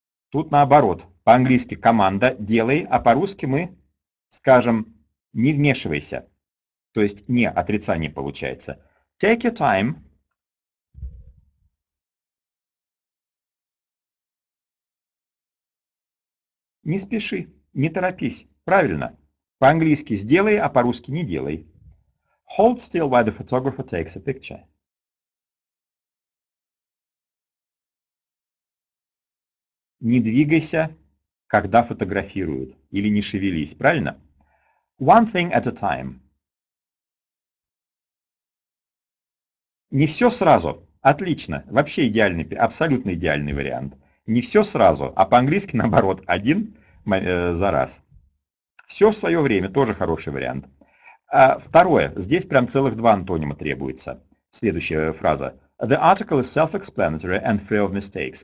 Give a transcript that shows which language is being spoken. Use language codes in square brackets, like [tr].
[ru] Тут наоборот, по-английски команда «делай», а по-русски мы скажем «не вмешивайся», то есть «не», отрицание получается. [en] Take your time. [ru] Не спеши, не торопись, правильно. По-английски «сделай», а по-русски «не делай». [en] Hold still while the photographer takes a picture. [ru] Не двигайся, когда фотографируют, или не шевелись, правильно? [en] One thing at a time. [ru] Не все сразу, отлично, вообще идеальный, абсолютно идеальный вариант. Не все сразу, а по-английски наоборот, один за раз. Все в свое время, тоже хороший вариант. А второе, здесь прям целых два антонима требуется. Следующая фраза. [en] The article is self-explanatory and free of mistakes.